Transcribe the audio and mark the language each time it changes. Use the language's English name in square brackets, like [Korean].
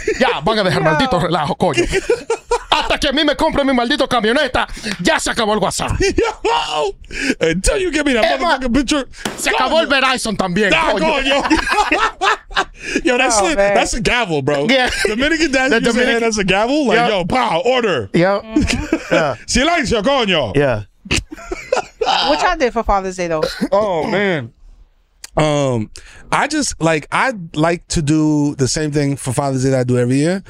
[Spanish] Ya, van a dejar maldito relajo, coño. Hasta que a mí me compre mi maldito camioneta, ya se acabó el WhatsApp. [English] Yo. Until you give me that motherfucking picture. [Spanish] Se acabó el Verizon también, coño. [English] Yo, that's a gavel, bro. Yeah. Dominican dad, you say that's a gavel? Like, yo, pow, order. Yeah. [Spanish] Silencio, coño. [English] Yeah. What y'all did for Father's Day, though? Oh, man. I like to do the same thing for Father's Day that I do every year.